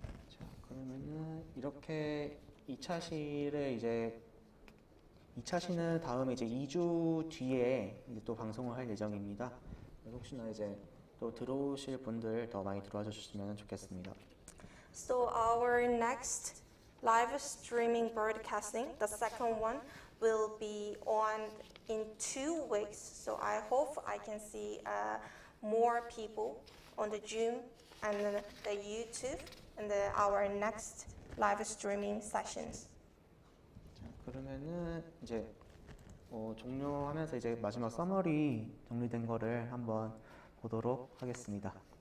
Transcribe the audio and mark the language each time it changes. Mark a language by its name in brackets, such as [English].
[Korean] 자, 그러면은 이렇게 2차실을 이제 2차실은 다음에 이제 2주 뒤에 이제 또 방송을 할 예정입니다. 혹시나 이제 또 들어오실 분들 더 많이 들어와 주셨으면 좋겠습니다. [English] So our next live streaming broadcasting, the second one, will be on in 2 weeks. So I hope I can see more people on the Zoom and the YouTube and the, our next live streaming sessions. [Korean] 자, 그러면은 이제 종료하면서 이제 마지막 서머리 정리된 거를 한번 보도록 하겠습니다.